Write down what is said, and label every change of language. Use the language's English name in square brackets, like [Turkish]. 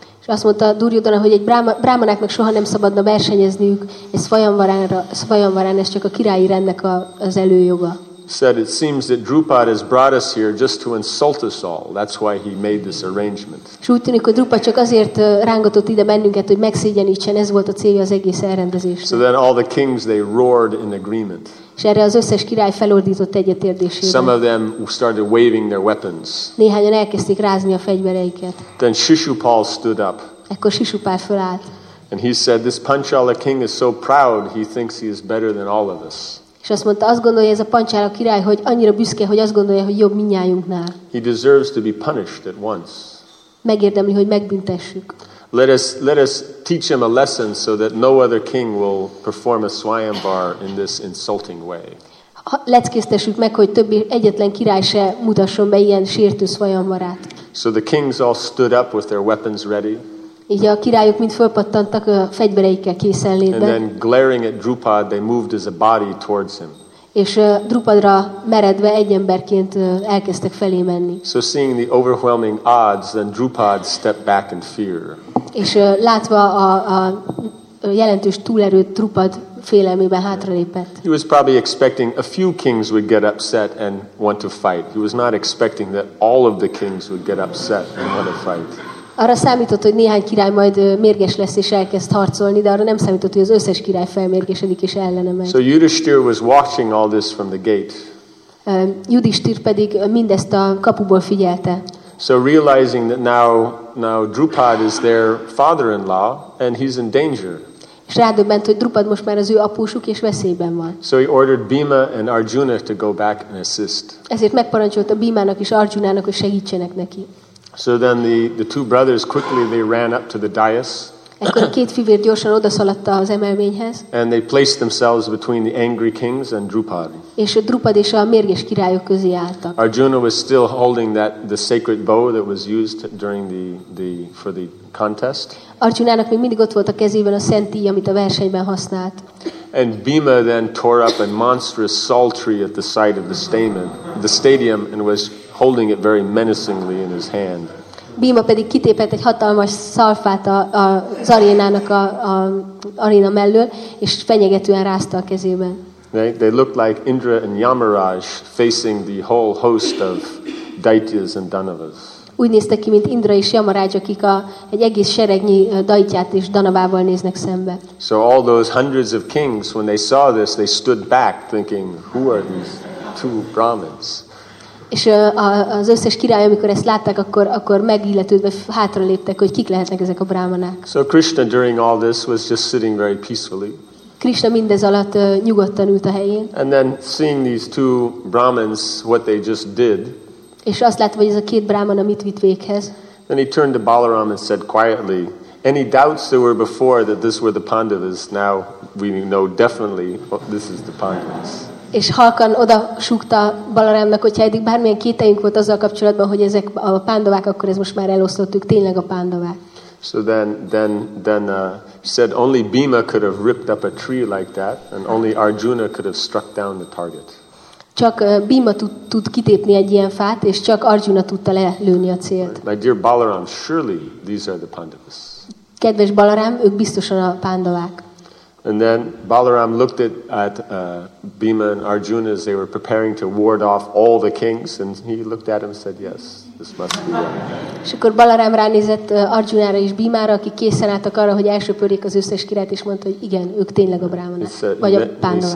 [Hungarian] És azt mondta Duryodhana, hogy egy brámanák meg soha nem szabadna versenyezniük egy swayamvarán, ez csak a királyi rendnek az előjoga. [English] Said it seems that Drupada has brought us here just to insult us all. That's why he made this arrangement. [Hungarian] Úgy tűnik, hogy Drupada csak azért rángatott ide bennünket, hogy megszégyenítsen. Ez volt a célja az egész elrendezésnek. [English] So then all the kings they roared in agreement. [Hungarian] És erre az összes király felordított egyetértésére. [English] Some of them started waving their weapons. [Hungarian] Néhányan elkezdték rázni a fegyvereiket. [English] Then Shishupal stood up. [Hungarian] Ekkor Shishupal fölállt. [English] And he said, "This Panchala king is so proud. He thinks he is better than all of us." [Hungarian] És azt mondta, azt gondolja ez a Panchala király, hogy annyira büszke, hogy azt gondolja, hogy jobb mindnyájunknál. [English] He deserves to be punished at once. [Hungarian] Megérdemli, hogy megbüntessük. [English] Let us teach him a lesson so that no other king will perform a swayamvar in this insulting way. [Hungarian] Leckésztessük meg, hogy többi egyetlen király se mutasson be ilyen sértő swayamvarát. [English] So the kings all stood up with their weapons ready. [Hungarian] Így a királyok mind fölpattantak a fegyvereikkel készen létben. [English] And then glaring at Drupad, they moved as a body towards him. [Hungarian] És Drupadra meredve egy emberként elkezdtek felé menni. [English] So seeing the overwhelming odds, then Drupad stepped back in fear. [Hungarian] És látva a jelentős túlerőt, Drupad félelmében hátralépett. [English] He was probably expecting a few kings would get upset and want to fight. He was not expecting that all of the kings would get upset and want to fight. [Hungarian] Arra számított, hogy néhány király majd mérges lesz és elkezd harcolni, de arra nem számított, hogy az összes király felmérgesedik és ellene megy. [English] So Yudhishthira was watching all this from the gate. [Hungarian] Yudhishthira pedig mindezt a kapuból figyelte. [English] So realizing that now Drupad is their father-in-law and he's in danger. [Hungarian] És rádöbbent, hogy Drupad most már az ő apósuk és veszélyben van. [English] So he ordered Bhima and Arjuna to go back and assist. [Hungarian] Ezért megparancsolta Bhimának és Arjunának, hogy segítsenek neki. [English] So then the two brothers quickly they ran up to the dais. [Hungarian] Ekkor a két fivér gyorsan odaszaladt az emelményhez. [English] And they placed themselves between the angry kings and Drupad. [Hungarian] És a Drupad és a mérges királyok közé álltak. [English] Arjuna was still holding the sacred bow that was used during for the contest. [Hungarian] Arjunának még mindig ott volt a kezében a szent íj, amit a versenyben használt. [English] And Bhima then tore up a monstrous psaltery at the side of the stadium and was holding it very menacingly in his hand. [Hungarian] Bhima pedig kitépett egy hatalmas szalfát az arénának a aréna mellől, és fenyegetően rázta a kezében. [English] They looked like Indra and Yamaraj facing the whole host of daityas and danavas. [Hungarian] Úgy néztek ki, mint Indra és Yamaraj, akik egy egész seregnyi daityát és danavával néznek szembe. [English] So all those hundreds of kings, when they saw this, they stood back thinking, who are these two brahmins? [Hungarian] És az összes király, amikor ezt látták, akkor megilletődve hátraléptek, hogy kik lehetnek ezek a brámanák. [English] So Krishna during all this was just sitting very peacefully. [Hungarian] Krishna mindez alatt nyugodtan ült a helyén. [English] And then seeing these two brahmins, what they just did. [Hungarian] És azt látva, hogy ez a két brámana mit vitt véghez. [English] Then he turned to Balaram and said quietly, any doubts there were before that this were the Pandavas, now we know definitely this is the Pandavas. [Hungarian] És halkan oda súgta Balarámnak, hogyha eddig bármilyen kételjünk volt azzal kapcsolatban, hogy ezek a pándovák, akkor ez most már eloszlottuk, tényleg a pándovák. [English] So then said only Bhima could have ripped up a tree like that, and only Arjuna could have struck down the target. [Hungarian] Csak Bhima tud kitépni egy ilyen fát, és csak Arjuna tudta lelőni a célt. [English] My dear Balaram, surely these are the Pandavas. [Hungarian] Kedves Balaram, ők biztosan a pándovák. [English] And then Balaram looked at Bhima and Arjuna as they were preparing to ward off all the kings, and he looked at him and said, "Yes, this must be them." [Hungarian] És akkor Balaram ránézett Arjunára és Bhimára, akik készen álltak arra, hogy elsöpörjék az összes királyt, és mondta, hogy igen, ők tényleg a brámanák, vagy a pándavák.